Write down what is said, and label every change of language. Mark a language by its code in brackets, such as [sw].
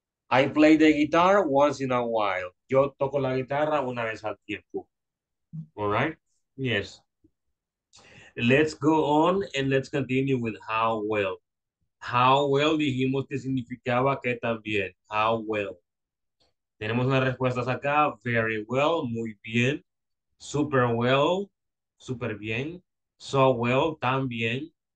[en] I play the guitar once in a while. [es] Yo toco la guitarra una vez al tiempo. [en] All right? Yes. Let's go on and let's continue with how well. How well [es] dijimos que significaba que también. How well. Tenemos unas respuestas acá. [en] Very well. [es] Muy bien. [en] Super well. [es] Super bien. [en] So well. [es] También.